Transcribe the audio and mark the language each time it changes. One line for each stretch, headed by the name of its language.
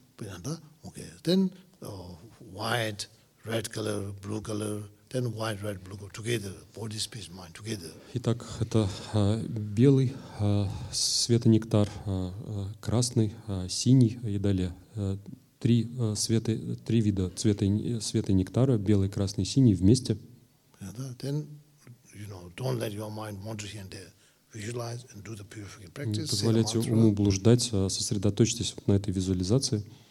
Russian: Понятно, да?
English: Okay. Then white, red color, blue color, then white, red, blue color, together, body, space, mind, together.
Russian: Итак, это белый, светонектар, красный, синий и далее. Три вида цвета нектара, белый, красный, синий вместе. Понятно, да?
English: Then you know, don't let your mind wander here and there. Visualize and do the purification practice.
Russian: Не позволяйте уму блуждать, сосредоточьтесь на этой визуализации.